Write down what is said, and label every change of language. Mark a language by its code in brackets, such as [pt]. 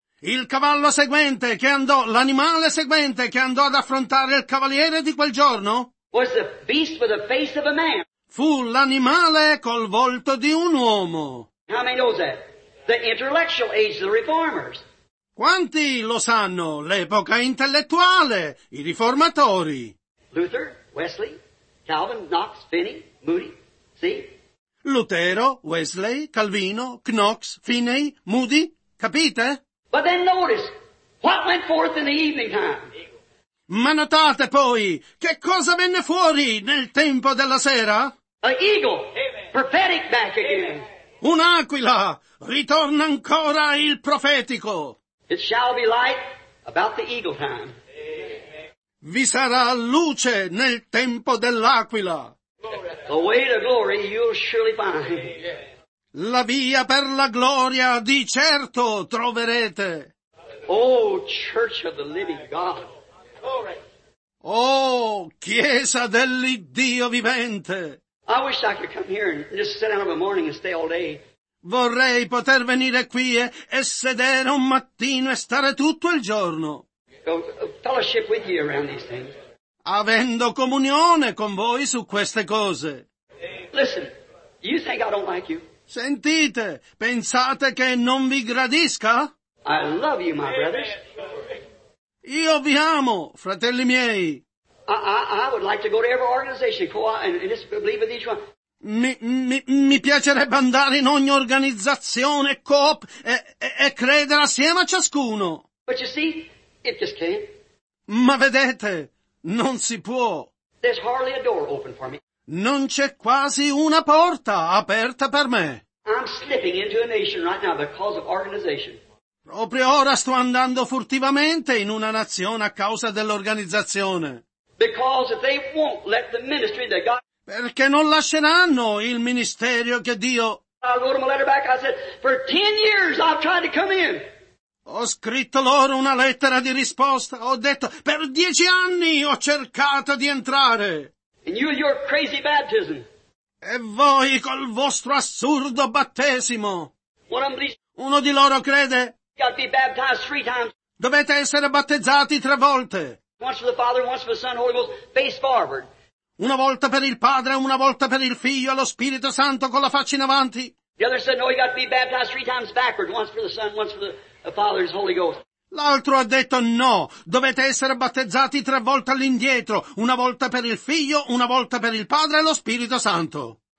[it] Il cavallo seguente che andò, l'animale seguente che andò ad affrontare il cavaliere di quel giorno. [en] Was the beast with the face of a man. [it] Fu l'animale col volto di un uomo. [en] How many knows that? The intellectual age, the reformers. [it] Quanti lo sanno? L'epoca intellettuale, i riformatori. [en] Luther, Wesley, Calvin, Knox, Finney, Moody, see? [it] Lutero, Wesley, Calvino, Knox, Finney, Moody, capite? [en] But then notice, what went forth in the evening time? [it] Ma notate poi, che cosa venne fuori nel tempo della sera? [en] An eagle, prophetic back again. [it] Un'aquila, ritorna ancora il profetico. [en] It shall be light about the eagle time. Amen. [it] Vi sarà luce nel tempo dell'aquila. [en] The way to glory you'll surely find. Amen. [it] La via per la gloria di certo troverete. [en] Oh, church of the living God. [it] Oh, chiesa dell'Iddio vivente. [en] I wish I could come here and just sit down in the morning and stay all day. [it] Vorrei poter venire qui e sedere un mattino e stare tutto il giorno. [en] Fellowship with you around these things. [it] Avendo comunione con voi su queste cose. [en] Listen, you think I don't like you? [it] Sentite, pensate che non vi gradisca? [en] I love you, my brothers. [it] Io vi amo, fratelli miei. [en] I would like to go to every organization, and just believe with each one. [it] Mi piacerebbe andare in ogni organizzazione, coop, e credere assieme a ciascuno. [en] But you see, it just can't. [it] Ma vedete, non si può. [en] There's hardly a door open for me. [it] Non c'è quasi una porta aperta per me. [en] I'm slipping into a nation right now because of organization. [it] Proprio ora sto andando furtivamente in una nazione a causa dell'organizzazione. [en] Because they won't let the ministry that God... [it] Perché non lasceranno il ministero che Dio... [en] I wrote them a letter back, I said, for 10 years I've tried to come in. [it] Ho scritto loro una lettera di risposta, ho detto, per 10 anni ho cercato di entrare. [en] And you and your crazy baptism. [it] E voi col vostro assurdo battesimo. [en] One of these... [it] Uno di loro crede. [en] You got to be baptized 3 times. [it] Dovete essere battezzati 3 volte. [en] Once for the Father, once for the Son, Holy Ghost, face forward. [it] Una volta per il Padre, una volta per il Figlio, allo Spirito Santo con la faccia in avanti. [en] The other said, no, you got to be baptized 3 times backward, once for the Son, once for the Father, His Holy Ghost. [it] L'altro ha detto, no, dovete essere battezzati 3 volte all'indietro, una volta per il Figlio, una volta per il Padre e lo Spirito Santo.